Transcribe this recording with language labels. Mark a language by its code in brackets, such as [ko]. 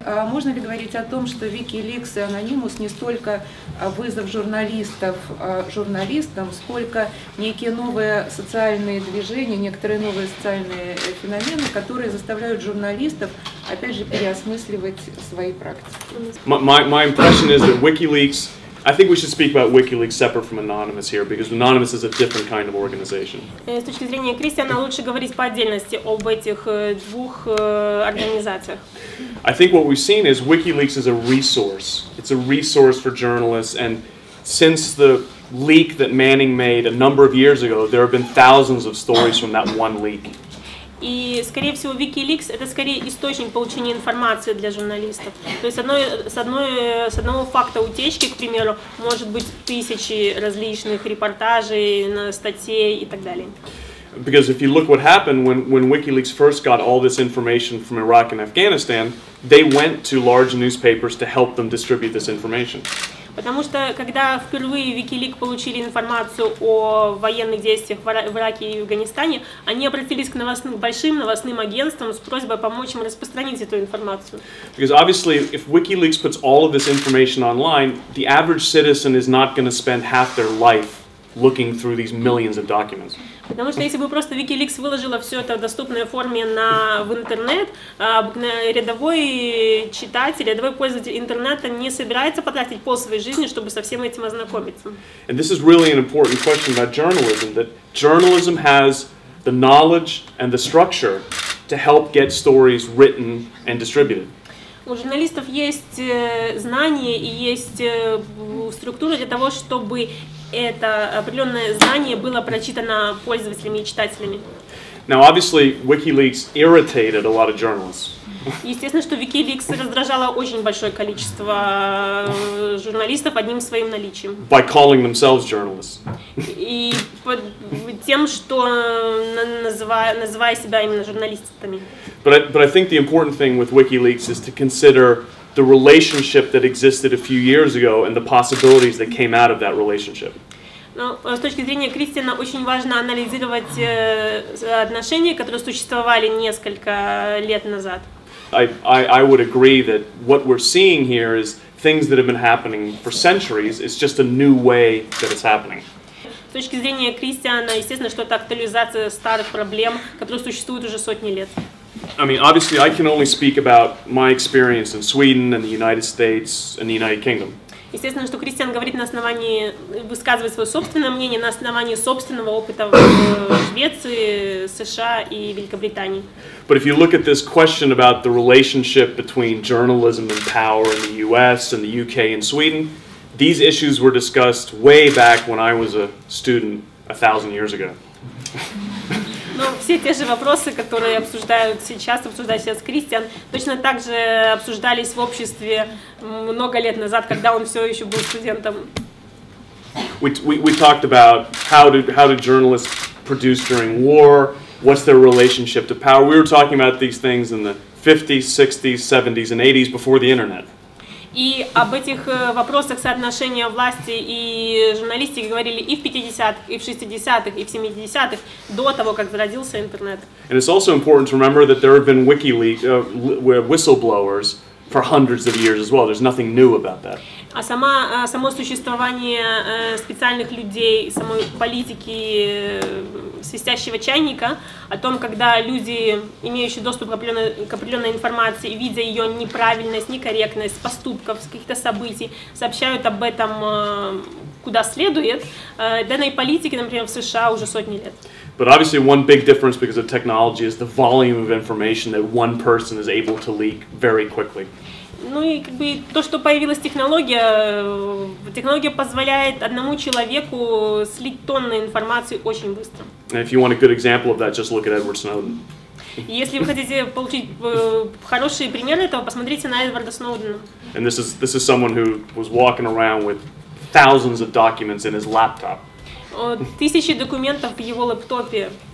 [ru] А можно ли говорить о том, что WikiLeaks и Anonymous не столько вызов журналистов журналистам, сколько некие новые социальные движения, некоторые новые социальные феномены, которые заставляют журналистов, опять же, переосмысливать свои практики? [en] My impression is that WikiLeaks, I think we should speak about WikiLeaks separate from Anonymous here, because Anonymous is a different kind of organization. [ru] С точки зрения Кристиана, лучше говорить по отдельности об этих двух организациях. [en] I think what we've seen is WikiLeaks is a resource. It's a resource for journalists, and since the leak that Manning made a number of years ago, there have been thousands of stories from that one leak. [ru] И, скорее всего, WikiLeaks — это скорее источник получения информации для журналистов. То есть с одного факта утечки, к примеру, может быть тысячи различных репортажей, статей и так далее. [en] Because if you look what happened when WikiLeaks first got all this information from Iraq and Afghanistan, they went to large newspapers to help them distribute this information. [ru] Потому что, когда впервые WikiLeaks получили информацию о военных действиях в Ираке и Афганистане, они обратились к большим новостным агентствам с просьбой помочь им распространить эту информацию. [en] Because obviously, if WikiLeaks puts all of this information online, the average citizen is not going to spend half their life looking through these millions of documents. [ru] Потому что если бы просто WikiLeaks выложила все это в доступной форме в интернет, рядовой читатель, рядовой пользователь интернета не собирается потратить пол своей жизни, чтобы со всем этим ознакомиться. [en] And this is really an important question about journalism, that journalism has the knowledge and the structure to help get stories written and distributed. [ru] У журналистов есть знания и есть структура для того, чтобы это определенное знание было прочитано пользователями и читателями. [en] Now, obviously, WikiLeaks irritated a lot of journalists. [ru] Естественно, что WikiLeaks раздражало очень большое количество журналистов одним своим наличием. [en] By calling themselves journalists. [ru] И тем, что называя себя именно журналистами. [en] But I think the important thing with WikiLeaks is to consider the relationship that existed a few years ago and the possibilities that came out of that relationship. [ru] Но с точки зрения Кристиана очень важно анализировать отношения, которые существовали несколько лет назад. [en] I would agree that what we're seeing here is things that have been happening for centuries. It's just a new way that it's happening. [ru] С точки зрения Кристиана, естественно, что это актуализация старых проблем, которые существуют уже сотни лет. [en] I mean, obviously, I can only speak about my experience in Sweden and the United States and the United Kingdom. [ru] Естественно, что Кристиан говорит на основании, высказывает свое собственное мнение на основании собственного опыта в Швеции, США и Великобритании. [en] But if you look at this question about the relationship between journalism and power in the US and the UK and Sweden, these issues were discussed way back when I was a student 1,000 years ago. [ru] Но все те же вопросы, которые обсуждают сейчас, обсуждают сейчас Кристиан, точно так же обсуждались в обществе много лет назад, когда он все еще был студентом. [en] We talked about how did journalists produce during war, what's their relationship to power. We were talking about these things in the 50s, 60s, 70s and 80s before the internet. [ru] И об этих вопросах соотношения власти и журналистики говорили и в 50-х, и в 60-х, и в 70-х, до того, как зародился интернет. [en] And it's also important to remember that there have been whistleblowers for hundreds of years as well. There's nothing new about that. [ru] А само существование специальных людей, самой политики свистящего чайника, о том, когда люди, имеющие доступ к определенной информации, видя ее неправильность, некорректность поступков, каких-то событий, сообщают об этом куда следует, данной политике, например, в США уже сотни лет. [en] But obviously one big difference because of technology is the volume of information that one person is able to leak very quickly. [ru] Ну и как бы то, что появилась технология, технология позволяет одному человеку слить тонны информации очень быстро. [en] And if you want a good example of that, just look at Edward Snowden. [ru] Если вы хотите получить хороший пример этого, посмотрите на Эдварда Сноудена. [en] And this is someone who was walking around with thousands of documents in his laptop. [ru] Тысячи документов в его лэптопе.